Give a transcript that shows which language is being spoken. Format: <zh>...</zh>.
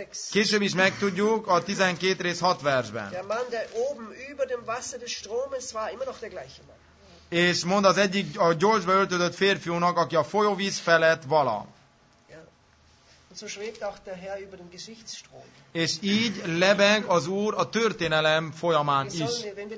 <hu>Később is megtudjuk a 12 rész 6 versben.</hu> <de>Der Mann, der oben über dem Wasser des Stromes war, immer noch der gleiche Mann.</de> <hu>És mond az egyik a gyorsba öltözött férfiúnak, aki a folyóvíz felett vala.</hu> <de>So schwebt auch der Herr über den Geschichtsstrom.</de> <hu>És így lebeg az Úr a történelem folyamán is.</hu>